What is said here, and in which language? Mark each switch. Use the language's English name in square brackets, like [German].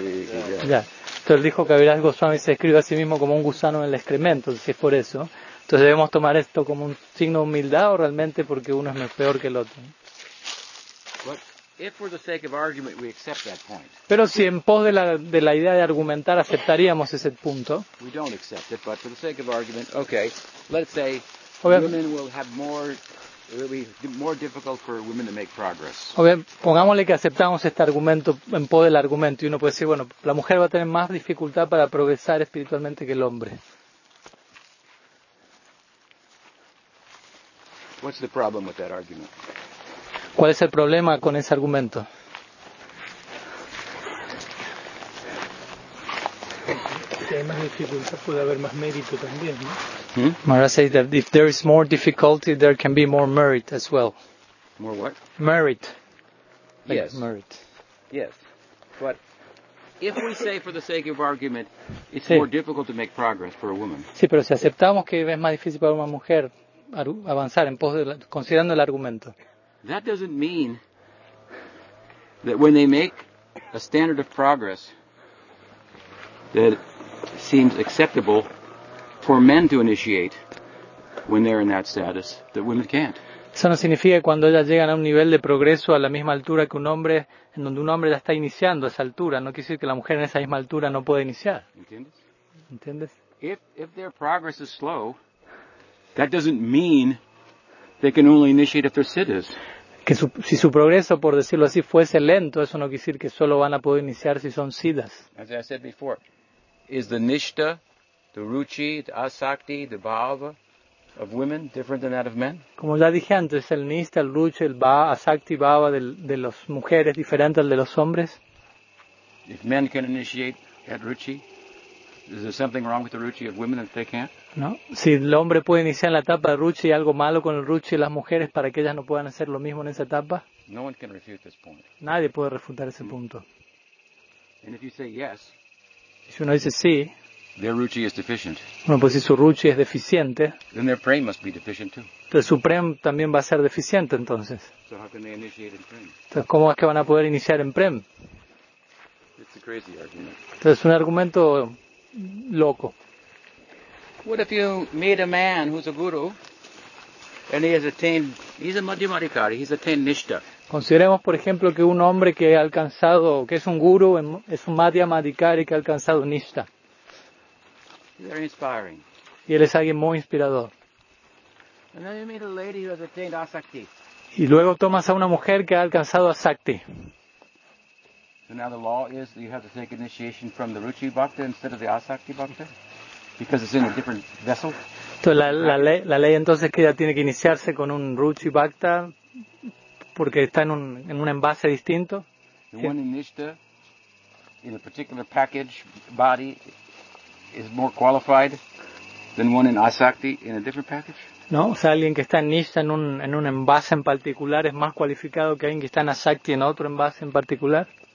[Spanish] Entonces dijo que Kaviraj Goswami se escribe a sí mismo como un gusano en el excremento, si es por eso. Entonces debemos tomar esto como un signo de humildad o realmente porque uno es peor que el otro. [English] If for the sake of argument we accept that point. [Spanish] Pero si en pos de la idea de argumentar aceptaríamos ese punto. [English] We don't accept it, but for the sake of argument, okay. Let's say women will have more difficult for women to make progress. [Spanish] Pongámosle que aceptamos este argumento en pos del argumento y uno puede decir, bueno, la mujer va a tener más dificultad para progresar espiritualmente que el hombre. [English] What's the problem with that argument? [Spanish] ¿Cuál es el problema con ese argumento? Si hay más dificultad, puede haber más mérito también, ¿no? [English] Maharaj says that if there is more difficulty, there can be more merit as well. More what? Merit. Yes. Like merit. Yes. But if we say for the sake of argument, it's sí. More difficult to make progress for a woman. [Spanish] Sí, pero si aceptamos que es más difícil para una mujer avanzar en pos de considerando el argumento. [English] That doesn't mean that when they make a standard of progress that seems acceptable for men to initiate when they're in that status, that women can't. [Spanish] Eso no significa que cuando ellas llegan a un nivel de progreso a la misma altura que un hombre, en donde un hombre ya está iniciando a esa altura, no quiere decir que la mujer en esa misma altura no puede iniciar. ¿Entiendes? ¿Entiendes? [English] If their progress is slow, that doesn't mean they can only initiate if their sit is. [Spanish] Que si su progreso, por decirlo así, fuese lento, eso no quiere decir que solo van a poder iniciar si son siddhas. [English] As I said before, is the nishta, the ruchi, the asakti, the bhava of women different than that of men? [Spanish] Como ya dije antes, el nishta, el ruchi, el bhava, asakti, bhava de las mujeres diferente al de los hombres. [English] If men can initiate at ruchi, is there something wrong with the ruchi of women if they can't? [Spanish] No. Si el hombre puede iniciar en la etapa de ruchi, ¿hay algo malo con el ruchi de las mujeres para que ellas no puedan hacer lo mismo en esa etapa? [English] No one can refute this point. [Spanish] Nadie puede refutar ese punto. [English] And if you say yes, [Spanish] si uno dice sí, [English] their ruchi is deficient. [Spanish] Bueno, pues si su ruchi es deficiente, [English] then their prem must be deficient too. [Spanish] Entonces su prem también va a ser deficiente entonces. [English] So how can they initiate in prem? [Spanish] Entonces, ¿cómo es que van a poder iniciar en prem? [English] It's a crazy argument. [Spanish] Entonces es un argumento loco. [English] What if you meet a man who's a guru and he has attained, he's a madhyamadhikari, he's attained nishta. [Spanish] Consideremos, por ejemplo, que un hombre que ha alcanzado, que es un guru, es un madhyamadhikari que ha alcanzado nishta. [English] Very inspiring. [Spanish] Y él es alguien muy inspirador. [English] And then you meet a lady who has attained asakti. [Spanish] Y luego tomas a una mujer que ha alcanzado asakti. [English] So now the law is that you have to take initiation from the ruchi bhakta instead of the asakti bhakta? Because it's in a different vessel. [Spanish] Entonces la ley entonces que ella tiene que iniciarse con un ruchi bhakta porque está en un envase distinto. [English] The one initiated in a particular package body is more qualified than one in asakti in a different package. [Spanish] No, o sea, alguien que está en nishta en un envase en particular es más cualificado que alguien que está en asakti en otro envase en particular.